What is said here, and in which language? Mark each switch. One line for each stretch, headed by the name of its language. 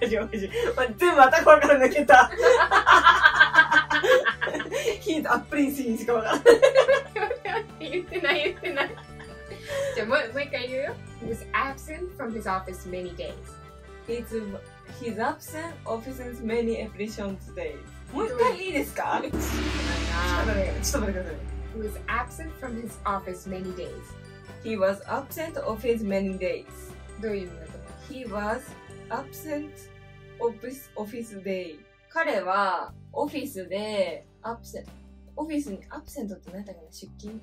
Japanese: 待って、全部頭から抜けた。ヒントアップリンシーにしか分からない。言ってない。じゃあもう一回言うよ。
English: He was absent from his office many days. He's absent office many efficient days.
Japanese: もう一回いいですか？ちょっと待ってください。
English: He was absent from his office many days. He was absent office many days.
Japanese: どういう意味だと思う？
English: He was absent office day.
Japanese: 彼はオフィスで absent。オフィスに absent って何だったかな？出勤？